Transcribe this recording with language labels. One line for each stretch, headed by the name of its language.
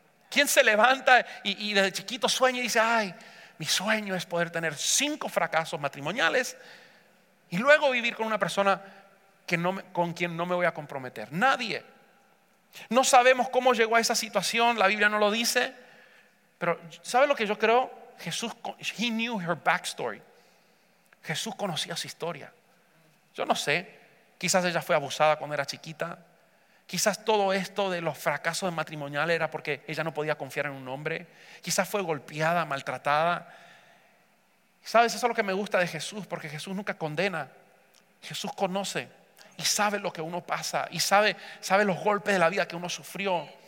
Spanish: ¿Quién se levanta y desde chiquito sueña y dice, ay, mi sueño es poder tener 5 fracasos matrimoniales y luego vivir con una persona con quien no me voy a comprometer? Nadie. No sabemos cómo llegó a esa situación, la Biblia no lo dice, pero ¿sabe lo que yo creo?
English: Jesús, he knew her backstory.
Spanish: Jesús conocía su historia. Yo no sé, quizás ella fue abusada cuando era chiquita. Quizás todo esto de los fracasos matrimoniales era porque ella no podía confiar en un hombre. Quizás fue golpeada, maltratada. ¿Sabes? Eso es lo que me gusta de Jesús, porque Jesús nunca condena. Jesús conoce y sabe lo que uno pasa y sabe los golpes de la vida que uno sufrió.